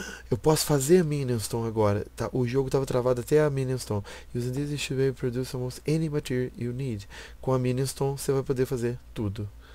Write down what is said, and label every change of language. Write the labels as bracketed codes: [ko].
[pt] Eu posso fazer a Minion Stone agora. Tá, o jogo tava travado até a Minion Stone. [en] Using this you should be able to produce almost any material you need. [pt] Com a Minion Stone você vai poder fazer tudo.